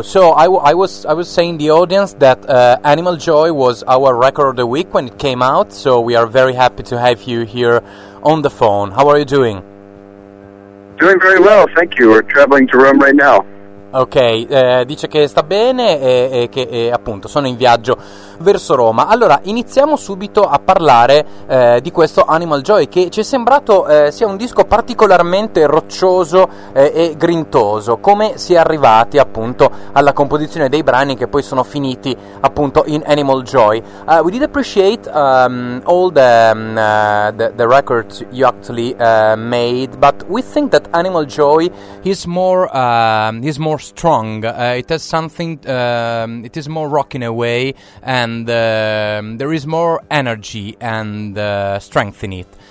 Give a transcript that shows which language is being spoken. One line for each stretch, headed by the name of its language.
English: So I was saying the audience that Animal Joy was our record of the week when it came out. So we are very happy to have you here on the phone. How are you doing? Doing very well, thank you. We're traveling to Rome right now.
Italian: Ok, dice che sta bene e che e appunto sono in viaggio verso Roma. Allora, iniziamo subito a parlare di questo Animal Joy, che ci è sembrato sia un disco particolarmente roccioso e grintoso. Come si è arrivati appunto alla composizione dei brani che poi sono finiti appunto in Animal Joy?
English: We did appreciate all the records you actually made, but we think that Animal Joy is more strong. It has something. It is more rock in a way, and there is more energy and strength in it.